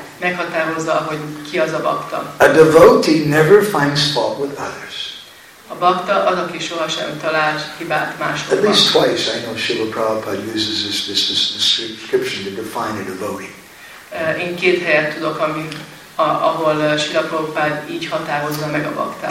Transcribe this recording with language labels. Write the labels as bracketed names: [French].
[Hungarian] Meghatározza, hogy ki az a bhakta. [English] A devotee never finds fault with others. [Hungarian] A bhakta az, aki sohasem talál hibát másokban. [English] At least twice I know Srila Prabhupada uses this description to define a devotee. [Hungarian] Én két helyet tudok, ahol Srila Prabhupada így határozza meg a bhaktát.